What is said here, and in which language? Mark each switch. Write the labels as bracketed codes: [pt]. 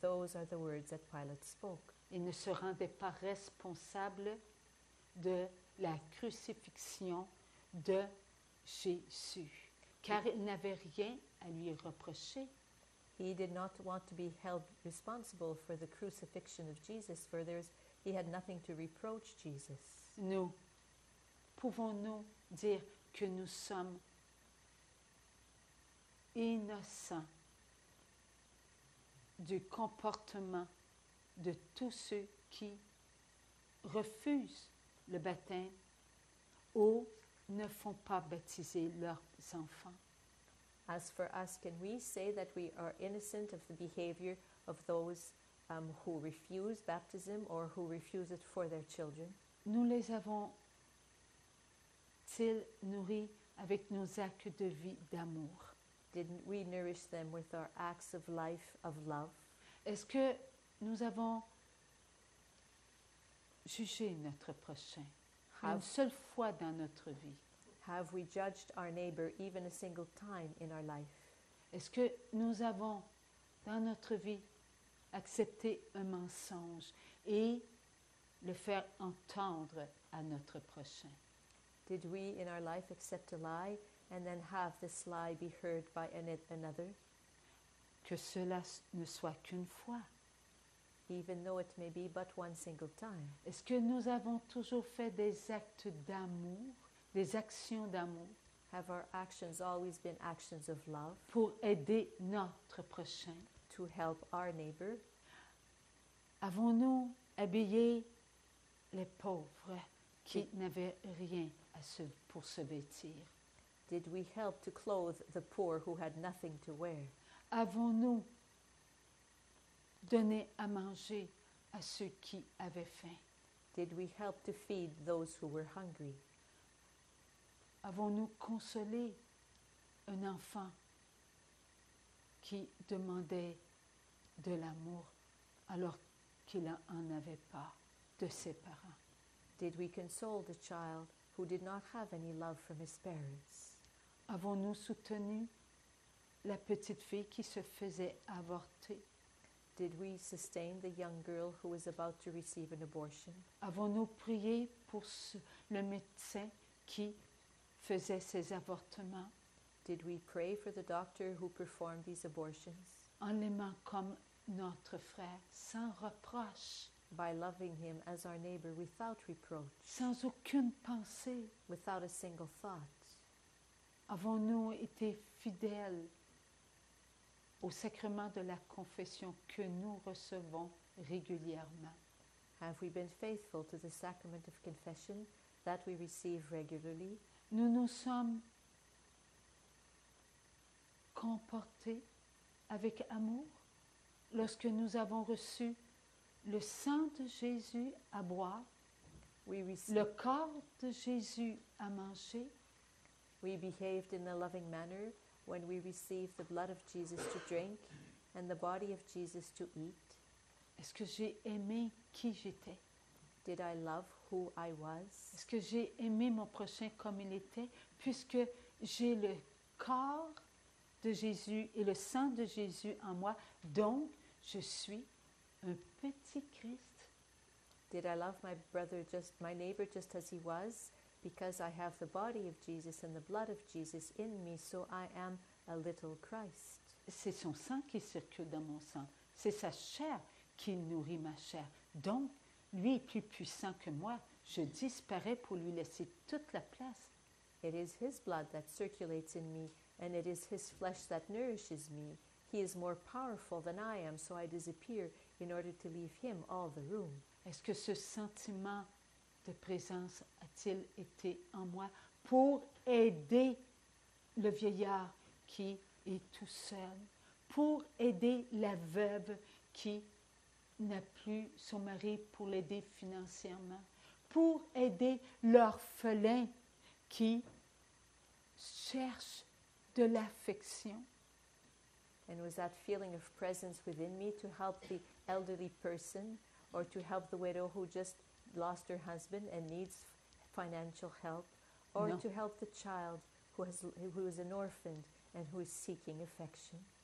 [en] Those are the words that Pilate spoke. [fr] Il ne se rendait pas responsable de la crucifixion de Jésus, car il n'avait rien à lui reprocher. [en] He did not want to be held responsible for the crucifixion of Jesus, for he had nothing to reproach Jesus. [fr] Nous, pouvons-nous dire que nous sommes innocents du comportement de tous ceux qui refusent le baptême ou ne font pas baptiser leurs enfants? [en] As for us, can we say that we are innocent of the behavior of those who refuse baptism or who refuse it for their children? [fr] Nous les avons-ils nourris avec nos actes de vie d'amour? [en] Didn't we nourish them with our acts of life of love? [fr] Est-ce que nous avons jugé notre prochain une seule fois dans notre vie? [en] Have we judged our neighbor even a single time in our life? [fr] Est-ce que nous avons, dans notre vie, accepté un mensonge et le faire entendre à notre prochain? [en] Did we in our life accept a lie and then have this lie be heard by another? [fr] Que cela ne soit qu'une fois. [en] Even though it may be but one single time. [fr] Est-ce que nous avons toujours fait des actes d'amour? Des actions d'amour. [en] Have our actions always been actions of love? [fr] Pour aider notre prochain. [en] To help our neighbor. [fr] Avons-nous habillé les pauvres qui n'avaient rien pour se vêtir? [en] Did we help to clothe the poor who had nothing to wear? [fr] Avons-nous donné à manger à ceux qui avaient faim? [en] Did we help to feed those who were hungry? [fr] Avons-nous consolé un enfant qui demandait de l'amour alors qu'il n'en avait pas de ses parents? [en] Did we console the child who did not have any love from his parents? [fr] Avons-nous soutenu la petite fille qui se faisait avorter? [en] Did we sustain the young girl who was about to receive an abortion? [fr] Avons-nous prié pour le médecin qui faisait ces avortements? [en] Did we pray for the doctor who performed these abortions? [fr] En l'aimant comme notre frère, sans reproche. [en] By loving him as our neighbor without reproach. [fr] Sans aucune pensée. [en] Without a single thought. [fr] Avons-nous été fidèles au sacrement de la confession que nous recevons régulièrement? [en] Have we been faithful to the sacrament of confession that we receive regularly? [fr] Nous nous sommes comportés avec amour lorsque nous avons reçu le sang de Jésus à boire, le corps de Jésus à manger. [en] We behaved in a loving manner when we received the blood of Jesus to drink and the body of Jesus to eat. [fr] Est-ce que j'ai aimé qui j'étais? [en] Did I love who I was? [fr] Est-ce que j'ai aimé mon prochain comme il était, puisque j'ai le corps de Jésus et le sang de Jésus en moi, donc je suis un petit Christ? [en] Did I love my brother, my neighbor, just as he was, because I have the body of Jesus and the blood of Jesus in me, so I am a little Christ? [fr] C'est son sang qui circule dans mon sang. C'est sa chair qui nourrit ma chair. Donc lui est plus puissant que moi. Je disparais pour lui laisser toute la place. [en] It is his blood that circulates in me, and it is his flesh that nourishes me. He is more powerful than I am, so I disappear in order to leave him all the room. [fr] Est-ce que ce sentiment de présence a-t-il été en moi pour aider le vieillard qui est tout seul, pour aider la veuve qui n'a plus son mari pour l'aider financièrement, pour aider l'orphelin qui cherche de l'affection. [en] And was that feeling of presence within me to help the elderly person or to help the widow who just lost her husband and needs financial help or to help the child who is an orphan and who is seeking affection?